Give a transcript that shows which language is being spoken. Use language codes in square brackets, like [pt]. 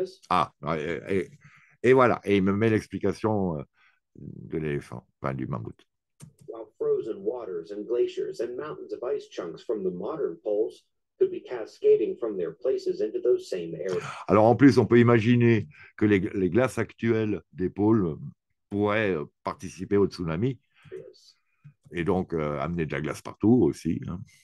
[fr] Ah, et voilà, et il me met l'explication de l'éléphant, enfin du mammouth. [en] While frozen waters and glaciers and mountains of ice chunks from the modern poles could be cascading from their places into those same areas. [fr] Alors en plus, on peut imaginer que les glaces actuelles des pôles pourraient participer au tsunami, yes, et donc amener de la glace partout aussi. Hein.